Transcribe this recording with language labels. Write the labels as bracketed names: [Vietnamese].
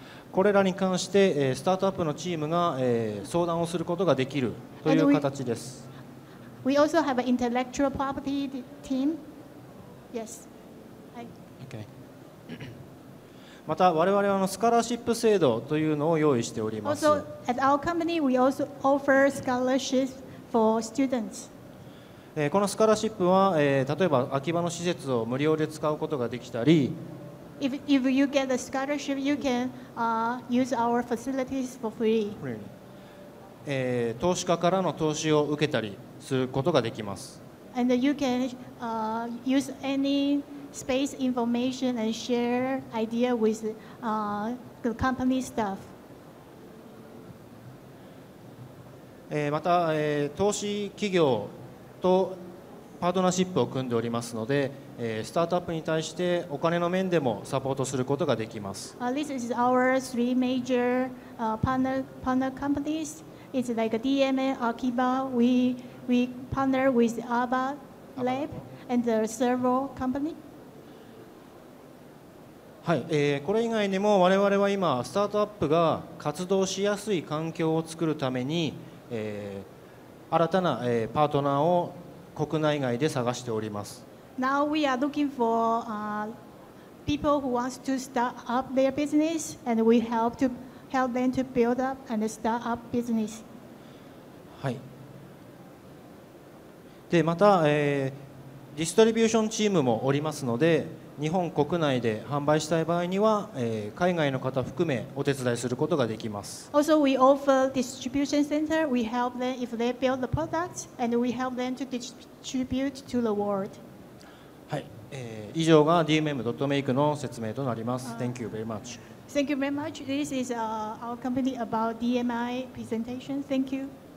[Japanese] これらに関してスタートアップのチームが相談をすることができるという形です。 [English] We also have an intellectual property team. Yes. Okay. [Japanese] また我々はスカラーシップ制度というのを用意しております。 [English] Also, at our company, we also offer scholarships for students. [Japanese] このスカラシップは例えば秋葉の施設を無料で使うことができたり [English] if you get a scholarship, you can use our facilities for free. Really? [Japanese] 投資家からの投資を受けたりすることができます。 [English] And you can use any space information and share idea with the company staff. [Japanese] また、投資企業とパートナーシップを組んでおりますので、スタートアップに対してお金の面でもサポートすることができます。 [English] This is our three major partner companies. It's like DMM, AKIBA. We partner with ABA Lab and the Servo company. [Japanese] はい、これ以外にも我々は今スタートアップが活動しやすい環境を作るために、新たな、パートナーを国内外で探しております。 [English] Now we are looking for people who wants to start up their business, and we help them to build up and start up business. [Japanese] はい。でまた、ディストリビューションチームもおりますので、日本国内で販売したい場合には、海外の方含めお手伝いすることができます。 [English] Also, we offer distribution center. We help them if they build the products, and we help them to distribute to the world. [Japanese] はい、以上が DMM.make の説明となります。 [English] Thank you very much. Thank you very much. This is our company about DMI presentation. Thank you.